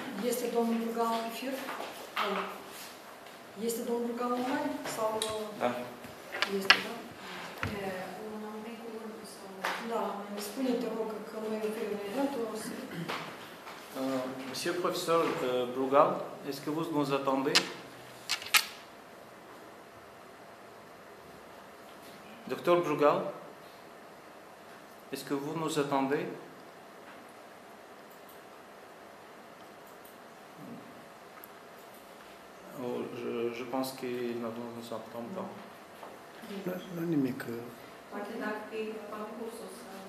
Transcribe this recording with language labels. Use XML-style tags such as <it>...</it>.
<ro>Este domnul Brugal Pifir. Este domnul Galamani? Sau... Da. Este, da? Un mic cuvânt sau... Da, spune-te, rog, că nu e în primul moment, o să...</ro> <fr>Monsieur professeur Brugal, est-ce que vous nous attendez? Docteur Brugal, est-ce que vous nous attendez? Oh, je pense qu'il ne nous attend pas.</fr> <ro>Non, non, nimic. Poate dacă e parcurs o să...</ro>